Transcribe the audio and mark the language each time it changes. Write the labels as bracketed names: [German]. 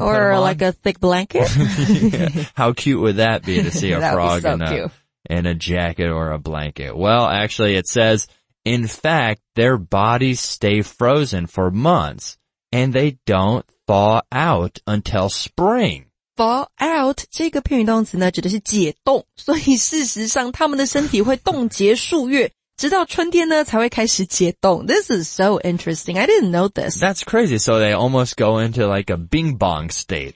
[English] put them on. Or like a thick blanket. How cute would that be to see a frog in a jacket or a blanket? Well, actually it says, in fact, their bodies stay frozen for months and they don't thaw out until spring. [Chinese] Thaw out 这个片语动词呢指的是解冻，所以事实上他们的身体会冻结数月，直到春天呢才会开始解冻。 [English] This is so interesting. I didn't know this. That's crazy. So they almost go into like a bing bong state.